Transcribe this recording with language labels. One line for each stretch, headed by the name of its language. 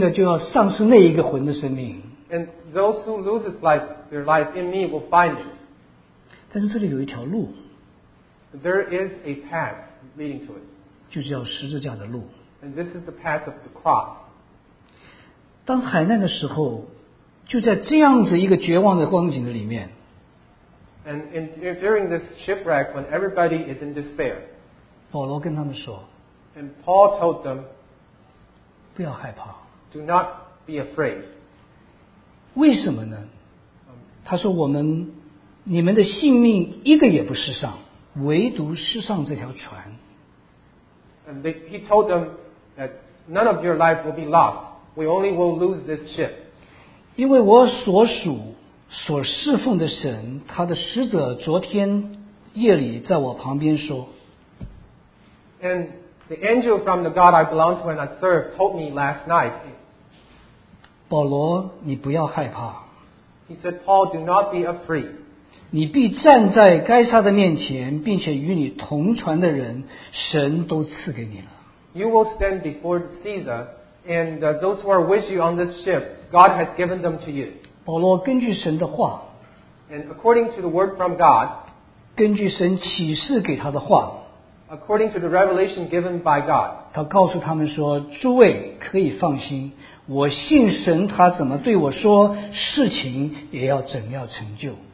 Chinese: 为我得到这个生命的就要丧失那一个魂的生命。
English: And those who lose their life in me will find it.
Chinese: 但是这里有一条路。
English: There is a path leading to it.
Chinese: 就是要十字架的路。
English: And this is the path of the cross.
Chinese: 当海难的时候, 就在这样子一个绝望的光景的里面。
English: And during this shipwreck, when everybody is in despair,
Chinese: 保罗跟他们说,
English: and Paul told them,
Chinese: 不要害怕,
English: do not be afraid.
Chinese: 为什么呢? 他说我们, 你们的性命一个也不失丧, 唯独失丧这条船。
English: And he told them that none of your life will be lost. We only will lose this ship.
Chinese: 因为我所属, 所侍奉的神, 他的使者昨天夜里在我旁边说,
English: And the angel from the God I belong to and I serve told me last night,
Chinese: 保罗, 你不要害怕,
English: He said, Paul, do not be afraid.
Chinese: 你必站在该撒的面前, 并且与你同船的人, 神都赐给你了。
English: You will stand before Caesar, and those who are with you on this ship, God has given them to you.
Chinese: 保罗根据神的话,
English: and according to the word from God,
Chinese: 根据神启示给他的话,
English: according to the revelation given by God,
Chinese: 他告诉他们说, 诸位可以放心, 我信神他怎么对我说, 事情也要怎样成就。